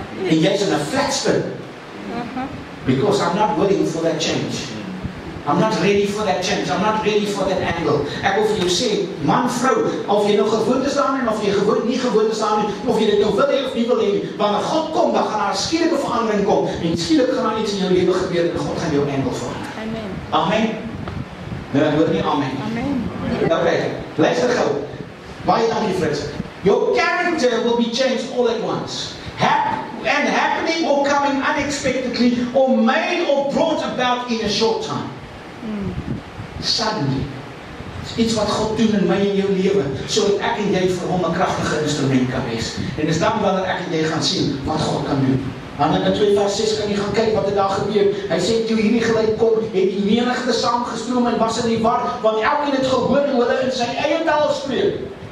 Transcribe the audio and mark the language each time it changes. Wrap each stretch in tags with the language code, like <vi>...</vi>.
<af>En jy is</af> <en>in a flat spin, because I'm not willing for that change. I'm not ready for that change. I'm not ready for that angle.</en> <af>Ek wil vir jou sê, man, vrou, of jy nou gewoond is aan en of jy gewoond nie gewoond is aan en of jy dit nou wil hê of nie wil hê, wanneer God kom, dan gaan daar 'n skielike verandering kom. En skielik gaan daar iets in jou lewe gebeur en God gaan jou angle verander. Amen. Amen. Nou, ek hoor nie amen. Amen. Nou, okay, luister gou. Baie dankie, Frits.</af> <en>Your character will be changed all at once. And happening or coming unexpectedly or made or brought about in a short time. Suddenly.</en> <af>Iets wat God doen in my en jou lewe, sodat ek en jy vir hom 'n kragtige instrument kan wees. En dis dan wanneer ek en jy gaan sien wat God kan doen. Handelinge 2 vers 6 kan jy gaan kyk wat het daar gebeur. Hy sê toe hierdie geluid kom, het die menigte saamgestroom en was in die war, want elkeen het gehoor hoe hulle in sy eie taal spreek.</af>